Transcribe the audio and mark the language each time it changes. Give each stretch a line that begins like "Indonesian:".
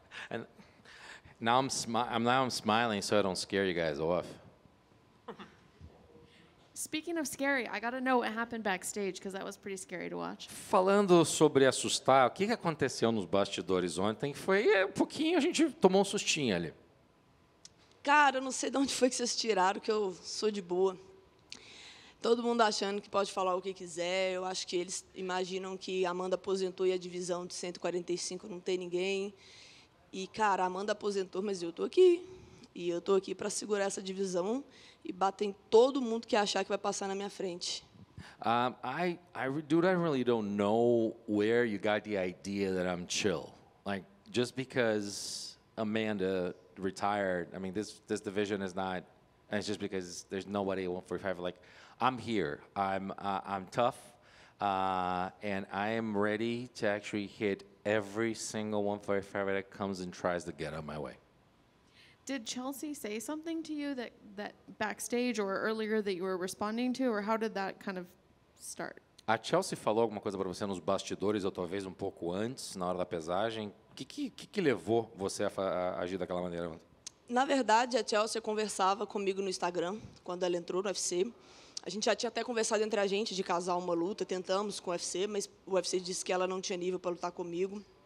English: And now I'm smiling so I don't scare you guys off. Speaking of scary, I got to know what happened backstage because that was pretty scary to watch.
Portuguese: Falando sobre assustar, o que aconteceu nos bastidores ontem? Foi um pouquinho, a gente tomou um sustinho ali. Cara, eu não sei de onde foi que vocês tiraram, que eu sou de boa. Todo mundo achando que pode falar o que quiser. Eu acho que eles imaginam que a Amanda aposentou e a divisão de 145 não tem ninguém. E, cara, a Amanda aposentou, mas eu tô aqui. E eu tô aqui para segurar essa divisão e bater em todo mundo que achar que vai passar na minha frente.
English: I really don't know where you got the idea that I'm chill. Like, just because Amanda retired, I mean, this division is not, and it's just because there's nobody at 145. Like, I'm here. I'm tough, and I am ready to actually hit every single 145 that comes and tries to get on my way. Did Chelsea say something to you that backstage or earlier that you were responding to, or how did that kind of start?
Portuguese: A Chelsea falou alguma coisa para você nos bastidores ou talvez pouco antes, na hora da pesagem? Que levou você a agir daquela maneira? Na verdade, a Chelsea conversava comigo no Instagram quando ela entrou no UFC. A gente já tinha até conversado entre a gente de casar uma luta, tentamos com o UFC, mas o UFC disse que ela não tinha nível para lutar comigo.